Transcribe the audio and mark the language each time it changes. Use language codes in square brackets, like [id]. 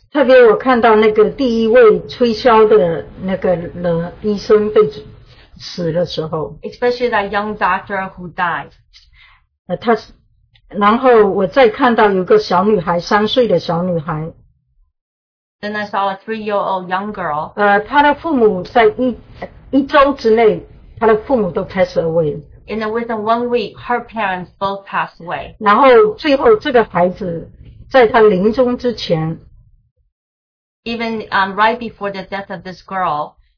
[zh] 特别我看到那个第一位吹箫的那个医生被死的时候。 [en] Especially that young doctor who died. [zh] 然后我再看到有个小女孩,3岁的小女孩。 [en] Then I saw a 3-year-old young girl. [zh] 她的父母在一周之内,她的父母都 [en] passed away. And then within 1 week, her parents both passed away. [zh] 然后最后这个孩子在她临终之前, [en] even right before the death of this girl,